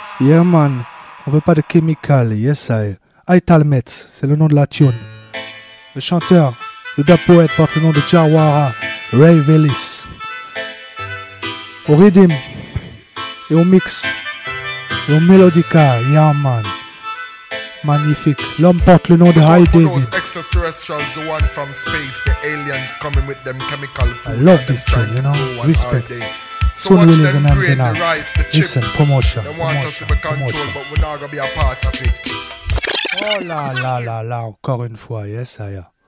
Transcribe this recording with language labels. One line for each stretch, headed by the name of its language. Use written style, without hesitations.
English: Yeah man,
French: on veut pas de chemical, yes I. Ital Metz, c'est le nom de la tune. Le chanteur, le dub poète porte le nom de Jawara, Ray Velis. Au rhythm, et au mix, et au melodica,
English: yeah man.
French: Magnifique. L'homme porte le nom de High David.
English: Extraterrestrials, the one from space, the aliens coming with them chemical foods. I love this tune, you know, respect. So soon release an MZ now. Listen, promotion. They want promotion, us to be control, promotion. But we're not going to be a part of it.
French: Oh la la la la, encore une fois,
English: yes, I am.